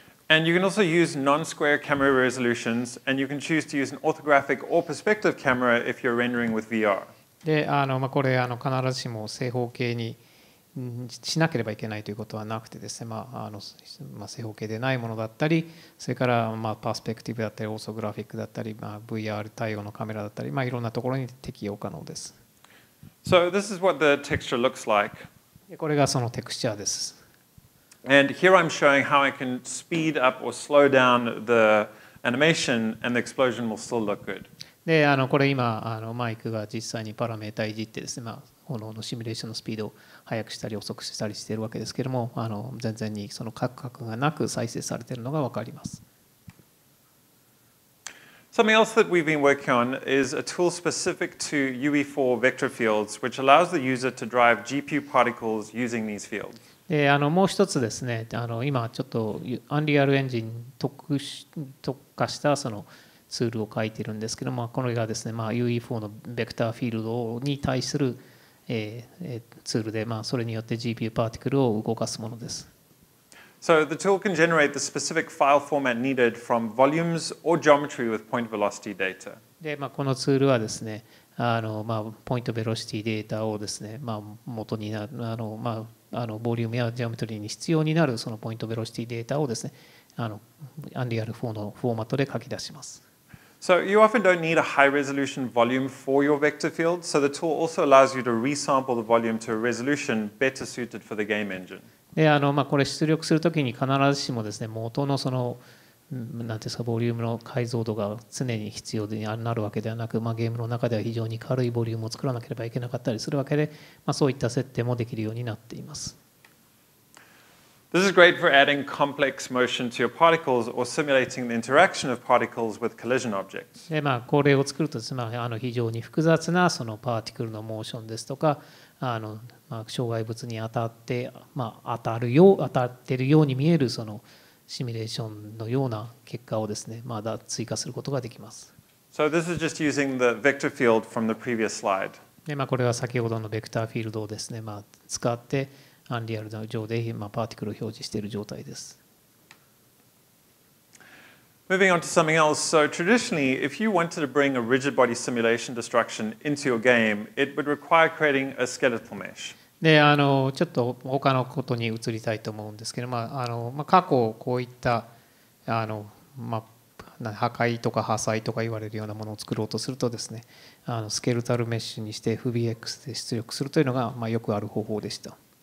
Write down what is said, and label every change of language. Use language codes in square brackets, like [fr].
[en] And you can also use non-square camera resolutions, and you can choose to use an orthographic or perspective camera if you're rendering with VR. [ja] で、まあ、これ必ずしも正方形にしなければいけないということはなくてですね、まあ、正方形でないものだったり、それから、まあ、パースペクティブだったり、オーソグラフィックだったり、まあ、VR 対応のカメラだったり、まあ、いろんなところに適用可能です。 [en] So this is what the texture looks like. [ja] これがそのテクスチャーです。 [en] And here I'm showing how I can speed up or slow down the animation and the explosion will still look good. [ja] で、これ今マイクが実際にパラメータいじってですね、まあ、炎のシミュレーションのスピードを速くしたり遅くしたりしているわけですけれども、全然にそのカクカクがなく再生されているのがわかります。 [en] Something else that we've been working on is a tool specific to UE4 vector fields, which allows the user to drive GPU particles using these fields. [ja] で、もう一つですね、今ちょっとアンリアルエンジン特化したそのツールを書いているんですけども、これがですね、まあ、UE4 のベクターフィールドに対する、ツールで、まあ、それによって GPU パーティクルを動かすものです。 [en] So the tool can generate the specific file format needed from volumes or geometry with point velocity data. [ja] で、まあ、このツールはですね、まあ、ポイントベロシティデータをですね、まあ、元になる、まあボリュームやジオメトリーに必要になるそのポイントベロシティデータをですね、Unreal 4のフォーマットで書き出します。 [en] So you often don't need a high resolution volume for your vector field, so the tool also allows you to resample the volume to a resolution better suited for the game engine. [ja] で、まあ、これ出力するときに必ずしもですね、元のその、なんていうんですか、ボリュームの解像度が常に必要になるわけではなく、まあ、ゲームの中では非常に軽いボリュームを作らなければいけなかったりするわけで、まあ、そういった設定もできるようになっています。 [en] This is great for adding complex motion to your particles or simulating the interaction of particles with collision objects. [ja] で、まあ、これを作るとですね、まあ、非常に複雑なそのパーティクルのモーションですとか、まあ、障害物に当たって、まあ、当たってるように見えるそのシミュレーションのような結果をですね、まだ追加することができます。 [en] So this is just using the vector field from the previous slide. [ja] で、まあ、これは先ほどのベクターフィールドをですね、まあ、使って、アンリアル上で、まあ、パーティクルを表示している状態です。 [en] Moving on to something else. So traditionally, if you wanted to bring a rigid body simulation destruction into your game, it would require creating a skeletal mesh. [ja] で、ちょっと他のことに移りたいと思うんですけど、まあ過去こういった破壊とか破砕とか言われるようなものを作ろうとするとですね、スケルタルメッシュにして FBX で出力するというのが、まあ、よくある方法でした。